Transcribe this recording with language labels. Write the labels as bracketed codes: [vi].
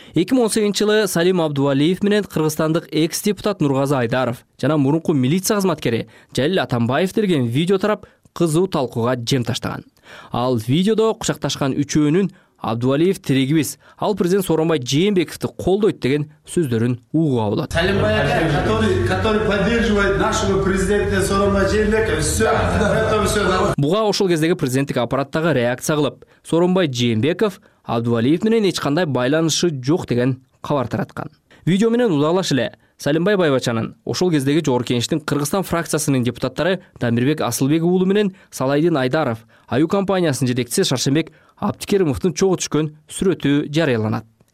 [ky] 2018-жылы Салим Абдувалиев менен кыргызстандык экс-депутат Нургазы Айдаров жана мурунку милиция кызматкери Жалил Атамбаев терген видео тарап кызуу талкууга жем таштаган. Ал видеодо кучакташкан үчөөнүн Абдувалиев тирегибиз, ал президент Сооронбай Жээнбековду колдойт деген сөздөрүн угууга болот. [ru] Салимбай ага, который поддерживает нашего президента Сооронбай Жээнбекова, все, это все. [ky] Буга ошол кездеги президенттик аппараттагы реакция кылып, Сооронбай Жээнбеков Абдувалиев менен эч кандай байланышы жок деген кабар тараткан. Видео менен узалаш эле Салимбай Байбачанын ошол кездеги Жогорку Кеңештин Кыргызстан фракциясынын депутаттары Дамирбек Асылбек уулу менен Салайдин Айдаров, Аюу компаниясынын жетекчиси Шаршенбек Аптикеримовдун чогуу түшкөн сүрөтү жарыяланат.